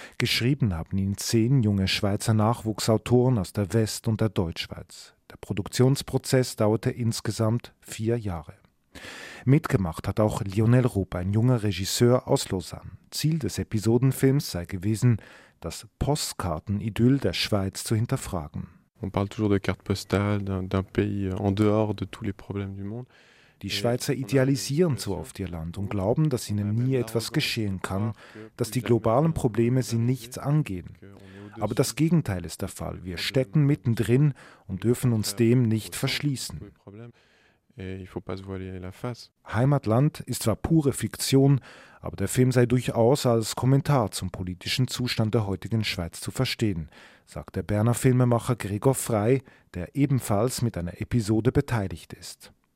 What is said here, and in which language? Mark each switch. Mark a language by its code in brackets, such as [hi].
[de] Geschrieben haben ihn 10 junge Schweizer Nachwuchsautoren aus der West- und der Deutschschweiz. Der Produktionsprozess dauerte insgesamt 4 Jahre. Mitgemacht hat auch Lionel Rupp, ein junger Regisseur aus Lausanne. Ziel des Episodenfilms sei gewesen, das Postkartenidyll der Schweiz zu hinterfragen. [fr] On parle toujours de carte postale d'un pays en dehors de tous les problèmes du monde. [de] Die Schweizer idealisieren so oft ihr Land und glauben, dass ihnen nie etwas geschehen kann, dass die globalen Probleme sie nichts angehen. Aber das Gegenteil ist der Fall. Wir stecken mittendrin und dürfen uns dem nicht verschließen. Heimatland ist zwar pure Fiktion, aber der Film sei durchaus als Kommentar zum politischen Zustand der heutigen Schweiz zu verstehen, sagt der Berner Filmemacher Gregor Frey, der ebenfalls mit einer Episode beteiligt ist.